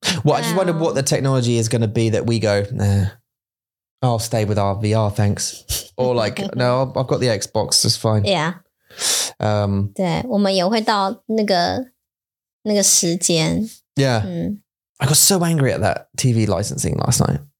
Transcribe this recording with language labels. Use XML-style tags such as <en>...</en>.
<en>Well, I just wonder what the technology is going to be that we go, nah, I'll stay with our VR, thanks. Or like, no, I've got the Xbox, it's fine. Yeah.</en> <zh>对，我们也会到那个时间。</zh> <en>Yeah.、Mm. I got so angry at that TV licensing last night.</en>